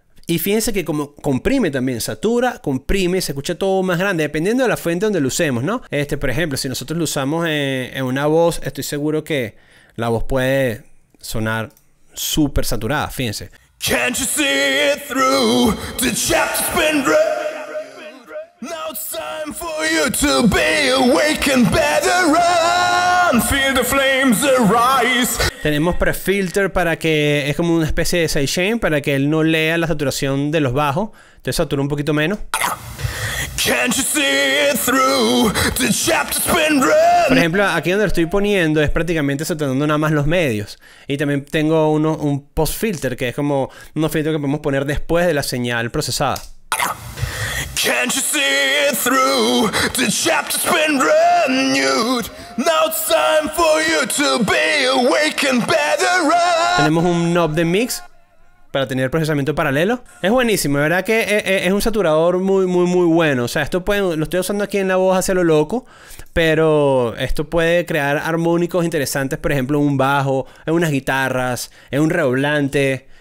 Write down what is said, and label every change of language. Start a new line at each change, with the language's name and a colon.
Spanish: Y fíjense que como comprime también, satura, comprime, se escucha todo más grande, dependiendo de la fuente donde lo usemos, ¿no? Por ejemplo, si nosotros lo usamos en una voz, estoy seguro que la voz puede sonar súper saturada, fíjense.
English: Can't you see it through? The chapter's been read. Now it's time for you to be awake and better and feel the flames arise.
Spanish: Tenemos pre-filter para que es como una especie de sidechain para que él no lea la saturación de los bajos. Entonces satura un poquito menos.
English: Can't you see it through? The chapter's been written.
Spanish: Por ejemplo, aquí donde lo estoy poniendo es prácticamente saturando nada más los medios. Y también tengo un post-filter que es como un filtro que podemos poner después de la señal procesada.
English: Can't you see it through? The chapter's been renewed. Now it's time for you to be awake and better.
Spanish: Tenemos un knob de mix para tener procesamiento paralelo. Es buenísimo, de verdad que es un saturador muy, muy, muy bueno. O sea, esto puede, lo estoy usando aquí en la voz hacia lo loco, pero esto puede crear armónicos interesantes, por ejemplo, un bajo, en unas guitarras, en un redoblante.